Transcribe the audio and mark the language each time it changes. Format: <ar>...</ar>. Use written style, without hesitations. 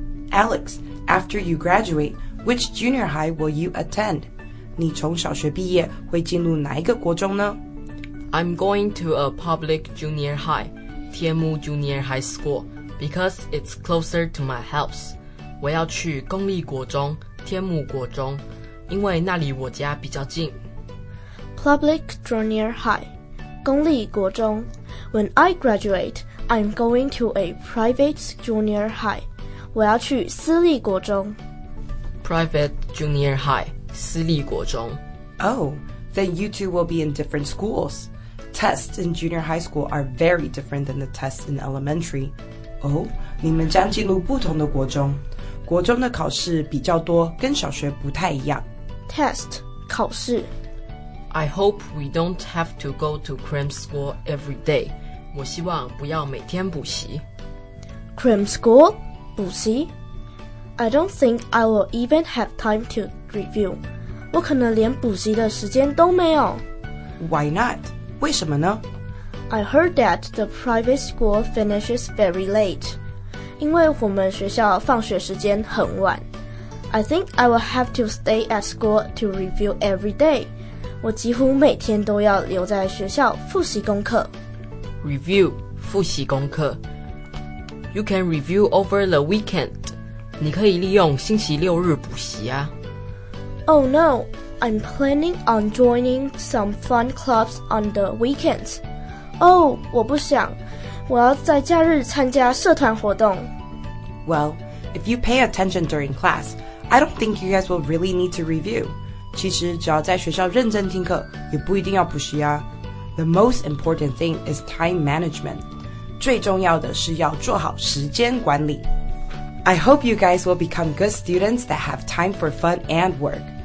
<en>Alex, after you graduate, which junior high will you attend?</en> <zh>你从小学毕业会进入哪一个国中呢？</zh> <en>I'm going to a public junior high, Tianmu Junior High School, because it's closer to my house.</en> <zh>我要去公立国中。天母国中，因为那里我家比较近。</zh> <en>Public Junior High,</en> <zh>公立国中。</zh> <en>When I graduate, I'm going to a private junior high.</en> <zh>我要去私立国中。</zh> <en>Private Junior High,</en> <zh>私立国中。</zh> <en>Oh, then you two will be in different schools. Tests in junior high school are very different than the tests in elementary.</en> <zh>Oh, 你们将进入不同的国中。国中的考试比较多，跟小学不太一样。</zh> <en>Test</en> <zh>考试。</zh> <en>I hope we don't have to go to cram school every day.</en> <zh>我希望不要每天补习。</zh> <en>Cram school</en> <zh>补习。</zh> <en>I don't think I will even have time to review.</en> <zh>我可能连补习的时间都没有。</zh> <en>Why not?</en> <zh>为什么呢？</zh> <en>I heard that the private school finishes very late.</en> <zh>因为我们学校放学时间很晚。</zh> <en>I think I will have to stay at school to review every day.</en> <zh>我几乎每天都要留在学校复习功课。</zh> <en>Review,</en> <zh>复习功课。</zh> <en>You can review over the weekend.</en> <zh>你可以利用星期六日补习啊。</zh> <en>Oh no, I'm planning on joining some fun clubs on the weekends.</en> <zh>Oh, 我不想。我要在假日参加社团活动。</zh> <en>Well, if you pay attention during class, I don't think you guys will really need to review.</en> <zh>其实只要在学校认真听课，也不一定要补习啊。</zh> <en>The most important thing is time management.</en> <zh>最重要的是要做好时间管理。</zh> <en>I hope you guys will become good students that have time for fun and work.</en>